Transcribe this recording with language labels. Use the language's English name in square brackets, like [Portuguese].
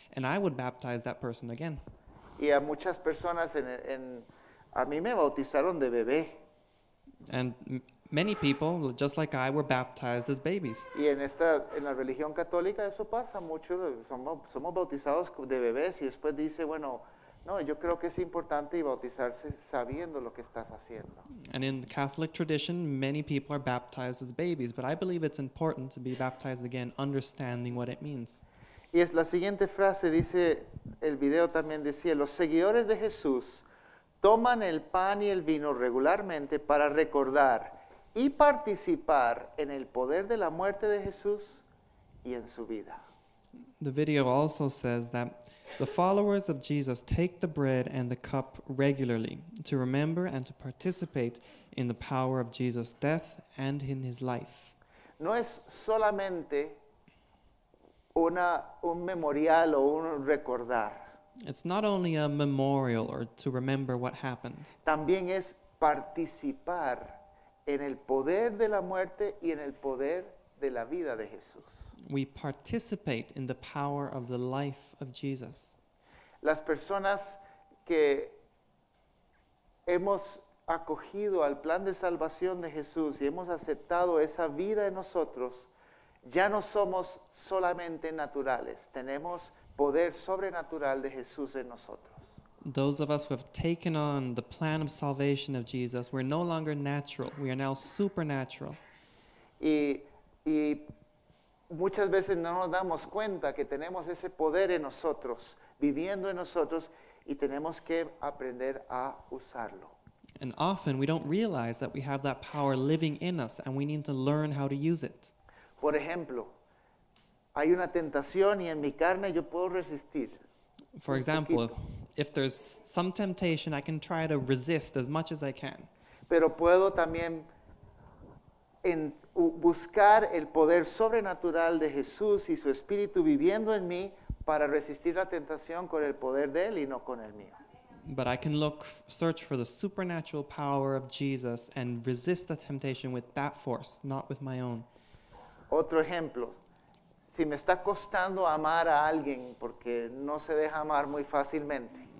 [English] And I would baptize that person again. [Spanish] Y a muchas personas, a mí me bautizaron de bebé. [English] And many people, just like I, were baptized as babies. [Spanish] Y en esta, en la religión católica, eso pasa mucho. Somos bautizados de bebés y después dice, bueno, no, yo creo que es importante bautizarse sabiendo lo que estás haciendo. [English] And in the Catholic tradition, many people are baptized as babies, but I believe it's important to be baptized again, understanding what it means. [Spanish] Y es la siguiente frase, dice, el video también decía, los seguidores de Jesús toman el pan y el vino regularmente para recordar y participar en el poder de la muerte de Jesús y en su vida. [English] The video also says that the followers of Jesus take the bread and the cup regularly to remember and to participate in the power of Jesus' death and in his life. [Spanish] No es solamente un memorial o un recordar. [English] It's not only a memorial or to remember what happened. [Spanish] También es participar en el poder de la muerte y en el poder de la vida de Jesús. [English] We participate in the power of the life of Jesus. [Spanish] Las personas que hemos acogido al plan de salvación de Jesús y hemos aceptado esa vida en nosotros, ya no somos solamente naturales. Tenemos poder sobrenatural de Jesús en nosotros. [English] Those of us who have taken on the plan of salvation of Jesus, we're no longer natural. We are now supernatural. [Spanish] Y muchas veces no nos damos cuenta que tenemos ese poder en nosotros, viviendo en nosotros, y tenemos que aprender a usarlo. [English] And often we don't realize that we have that power living in us and we need to learn how to use it. [Spanish] Por ejemplo, hay una tentación y en mi carne yo puedo resistir. [English] For example, if there's some temptation, I can try to resist as much as I can. [Spanish] Pero puedo también en buscar el poder sobrenatural de Jesús y su Espíritu viviendo en mí para resistir la tentación con el poder de Él y no con el mío. [English] But I can look, search for the supernatural power of Jesus and resist the temptation with that force, not with my own. [Spanish] Otro ejemplo. Si me está costando amar a alguien porque no se deja amar muy fácilmente.